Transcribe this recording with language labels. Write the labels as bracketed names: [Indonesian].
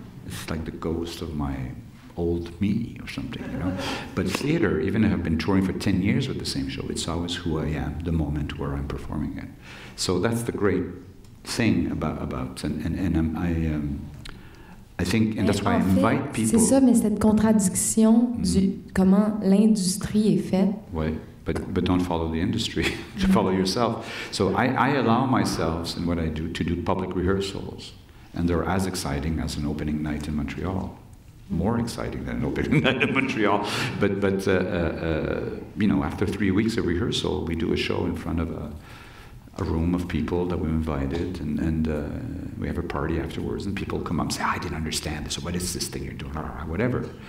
[English] It's like the ghost of my old me or something, you know? But theater, even if I've been touring for 10 years with the same show, it's always who I am the moment where I'm performing it. So that's the great thing about and I think and that's why [French] en fait, [English] I invite people. [French] C'est ça, mais cette contradiction du comment l'industrie est faite. [English] Oui, but don't follow the industry, to follow yourself. So I allow myself in what I do to do public rehearsals, and they're as exciting as an opening night in Montreal. More exciting than an opening night in Montreal, but you know, after 3 weeks of rehearsal, we do a show in front of a room of people that we invited, and we have a party afterwards, and people come up and say, I didn't understand this, what is this thing you're doing, whatever.